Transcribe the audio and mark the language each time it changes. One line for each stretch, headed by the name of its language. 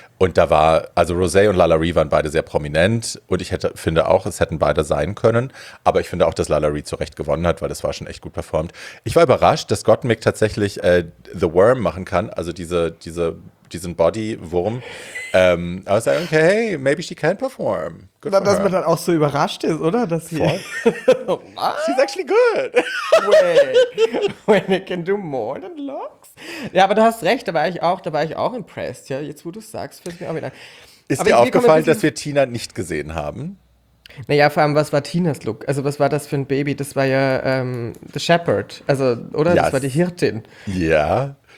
German: Und da war, also Rosé und LaLaurie waren beide sehr prominent und ich finde auch, es hätten beide sein können, aber ich finde auch, dass LaLaurie zu Recht gewonnen hat, weil das war schon echt gut performt. Ich war überrascht, dass Gottmik tatsächlich The Worm machen kann, also diesen Body-Wurm.
English: I was like, okay, maybe she can perform. Good for her.
German: Dass man dann auch so überrascht ist, oder? Dass sie
English: She's actually good. When it can do more than looks.
German: Ja, aber du hast recht, da war ich auch impressed. Ja, jetzt, wo du es sagst, fällt mir auch wieder. Ist aber dir aufgefallen, dass wir Tina nicht gesehen haben? Naja, vor allem, was war Tinas Look? Also, was war das für ein Baby? Das war ja The Shepherd, also, oder? Yes. Das war die Hirtin. Ja.